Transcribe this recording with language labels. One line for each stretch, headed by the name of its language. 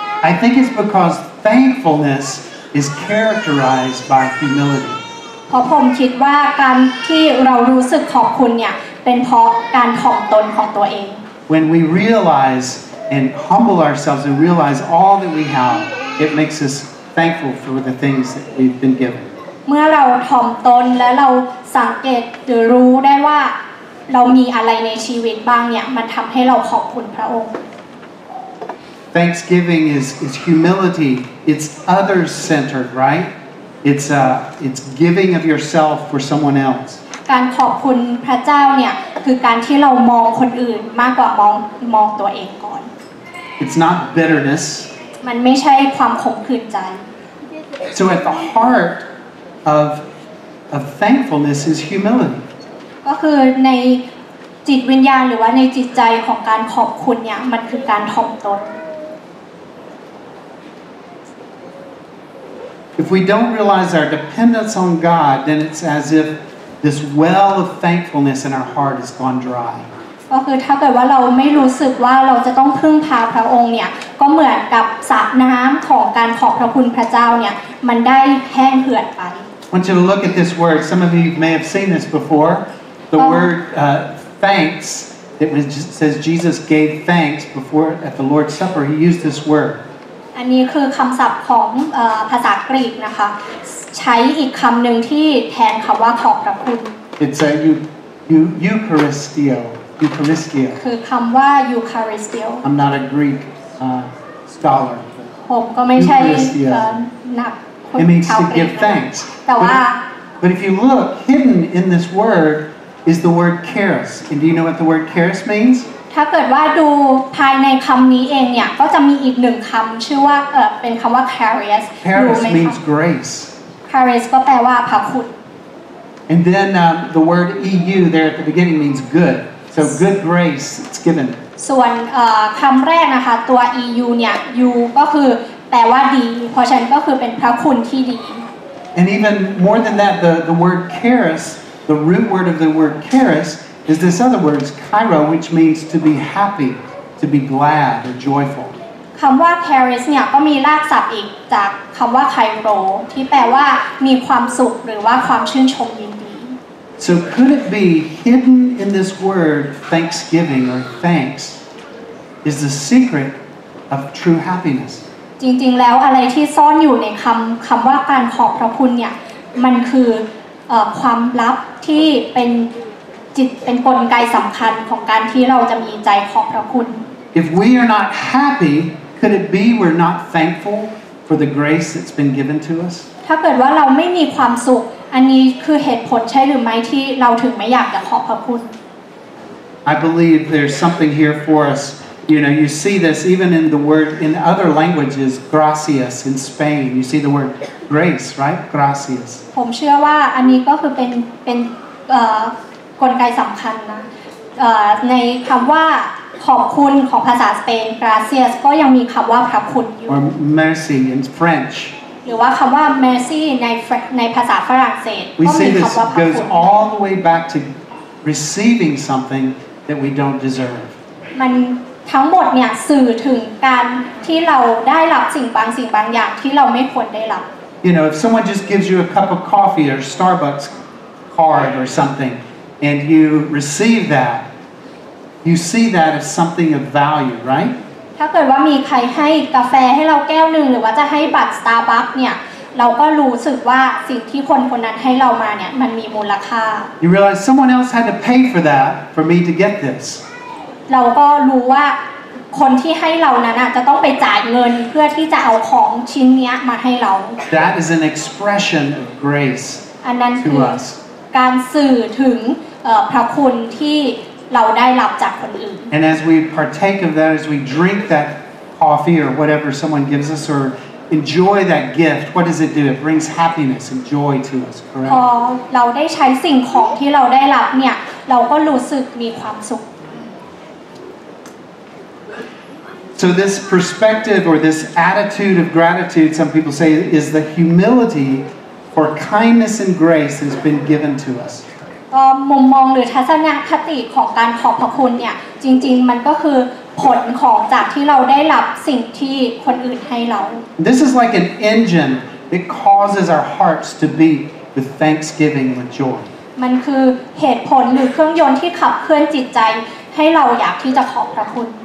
English: I think it's because thankfulness is characterized by humility
Thai: เพราะผมคิดว่าการที่เรารู้สึกขอบคุณเนี่ยเป็นเพราะการถ่อมตนของตัวเอง
English: When we realizeAnd humble ourselves and realize all that we have, it makes us thankful for the things that we've been given.
Thai: เมื่อเราถ่อมตนและเราสังเกตรู้ได้ว่าเรามีอะไรในชีวิตบ้างเนี่ยมันทำให้เราขอบคุณพระองค์
English: Thanksgiving is humility. It's other-centered, right? It's giving of yourself for someone else.
Thai: การขอบคุณพระเจ้าเนี่ยคือการที่เรามองคนอื่นมากกว่ามองตัวเองก่อน
English: It's not bitterness
Thai: มันไม่ใช่ความขมขื่นใจ
English: So at the heart of thankfulness is humility
Thai: ก็คือในจิตวิญญาณหรือว่าในจิตใจของการขอบคุณเนี่ยมันคือการถ่อมตน
English: If we don't realize our dependence on God then it's as ifThis well of thankfulness in our heart has gone dry.
Thai: ก็คือถ้าเกิดว่าเราไม่รู้สึกว่าเราจะต้องพึ่งพาพระองค์เนี่ยก็เหมือนกับสระน้ำของการขอบพระคุณพระเจ้าเนี่ยมันได้แห้งเหือดไป
English: I want you to look at this word. Some of you may have seen this before. The word thanks. It was just says Jesus gave thanks before at the Lord's Supper. He used this word.
Thai: อันนี้คือคำศัพท์ของภาษากรีกนะคะใช้อีกคำหนึ่งที่แทนคำว่าขอบพระคุณ
English: It's a Eucharistio
Thai: คือคำว่า Eucharistio
English: I'm not a Greek scholar
Thai: ผมก็ไม่ใช่นักคนชาวกรีก
English: It means to give thanks
Thai: แต่ว่า
English: But if you look hidden in this word is the word charis and do you know what the word charis means
Thai: ถ้าเกิดว่าดูภายในคำนี้เองเนี่ยก็จะมีอีกหนึ่งคำชื่อว่าเป็นคำว่า charis
English: charis means grace
Thai: Charis ก็แปลว่าพระคุณ
English: And then the word EU there at the beginning means good. So good grace, it's given.
Thai: ส่วนคำแรกนะคะตัว EU เนี่ย U ก็คือแปลว่าดีเพราะฉะนั้นก็คือเป็นพระคุณที่ดี
English: And even more than that, the word charis, the root word of the word charis is this other word, it's kairo, which means to be happy, to be glad or joyful.
Thai: คำว่า charis เนี่ยก็มีรากศัพท์อีกจากคำว่า kairo ที่แปลว่ามีความสุขหรือว่าความชื่นชมยินดี
English: So could it be hidden in this word thanksgiving or thanks is the secret of true happiness
Thai: จริงๆแล้วอะไรที่ซ่อนอยู่ในคำว่าการขอบพระคุณเนี่ยมันคือความลับที่เป็นจิตเป็นกลไกสำคัญของการที่เราจะมีใจขอบพระคุณ
English: If we are not happy, could it be we're not thankful for the grace that's been given to us?
Thai: ถ้าเกิดว่าเราไม่มีความสุขอันนี้คือเหตุผลใช่หรือไม่ที่เราถึงไม่อยากจะขอบพระคุณ
English: I believe there's something here for us. You know, you see this even in the word in other languages, gracias in Spain. You see the word grace, right? Gracias.
Thai: ผมเชื่อว่าอันนี้ก็คือเป็นกลไกสำคัญนะในคำว่าขอบคุณของภาษาสเปน gracias ก็ยังมีคำว่าพระคุณอยู่
English: or mercy in French
Thai: หรือว่าคำว่า mercy ในภาษาฝรั่งเศสก็มีคำว่าพระคุณ
English: We see this goes all the way back to receiving something that we don't deserve
Thai: มันทั้งหมดเนี่ยสื่อถึงการที่เราได้รับสิ่งบางอย่างที่เราไม่ควรได้รับ
English: You know if someone just gives you a cup of coffee or Starbucks card or something and you receive thatYou see that as something of value, right?
Thai: ถ้าเกิดว่ามีใครให้กาแฟให้เราแก้วนึงหรือว่าจะให้บัตร Starbucks เนี่ยเราก็รู้สึกว่าสิ่งที่คนๆนั้นให้เรามาเนี่ยมันมีมูลค่า
English: You realize someone else had to pay for that for me to get this.
Thai: เราก็รู้ว่าคนที่ให้เรานั้นจะต้องไปจ่ายเงินเพื่อที่จะเอาของชิ้นนี้มาให้เรา
English: That is an expression of grace
Thai: อันนั้นคือการสื่อถึงพระคุณที่เราได้รับจากคนอื่น
English: And as we partake of that as we drink that coffee or whatever someone gives us or enjoy that gift what does it do it brings happiness and joy to us correct
Thai: พอเราได้ใช้สิ่งของที่เราได้รับเนี่ยเราก็รู้สึกมีความสุข
English: So this perspective or this attitude of gratitude, some people say, is the humility for kindness and grace has been given to us.
Thai: มุมมองหรือทัศนคติของการขอบพระคุณเนี่ยจริงๆมันก็คือผลของจากที่เราได้รับสิ่งที่คนอื่นให้เรา
English: This is like an engine that causes our hearts to beat with thanksgiving with joy.
Thai: มันคือเหตุผลหรือเครื่องยนต์ที่ขับเคลื่อนจิตใจให้เราอยากที่จะขอบพระคุณ